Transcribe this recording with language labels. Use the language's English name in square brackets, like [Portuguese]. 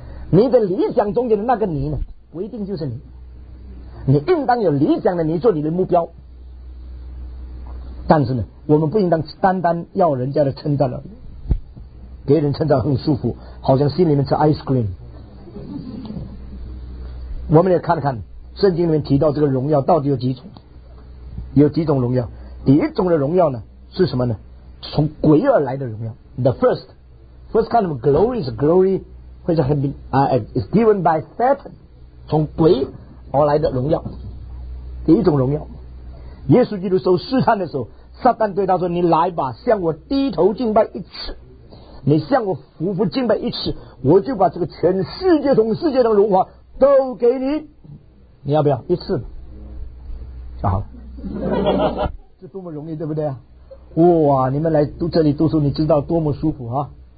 [Chinese] 你的理想中间的那个你呢，不一定就是你。你应当有理想的你做你的目标，但是呢，我们不应当单单要人家的称赞了，别人称赞很舒服，好像心里面吃 ice cream。我们也看看圣经里面提到这个荣耀到底有几种，有几种荣耀。第一种的荣耀呢是什么呢？从鬼而来的荣耀。 [English] The first kind of glory is glory which has been, is given by Satan, [Chinese] 从鬼而来的荣耀，第一种荣耀。耶稣基督受试探的时候，撒旦对他说，你来吧，向我低头敬拜一次，你向我俯伏敬拜一次，我就把这个全世界同世界的荣华都给你，你要不要一次？好，这多么容易，对不对啊？哇，你们来读这里读书，你知道多么舒服啊。